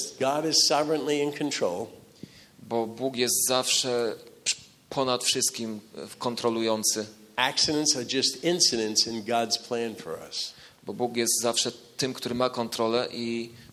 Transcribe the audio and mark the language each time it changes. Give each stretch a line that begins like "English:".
English: Because God is sovereignly in control.
Polish: Bo Bóg jest zawsze ponad wszystkim kontrolujący.
English: Accidents are just incidents in God's plan for us.
Polish: Bo Bóg jest zawsze tym, który ma kontrolę i